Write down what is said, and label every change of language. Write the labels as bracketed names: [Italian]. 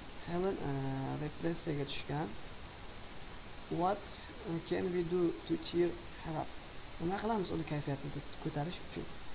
[Uzbek] Helen depressiyaga tushgan. [English] What can we do to cheer her up? [Uzbek] Nima qilamiz uni kayfiyatini ko'tarish uchun?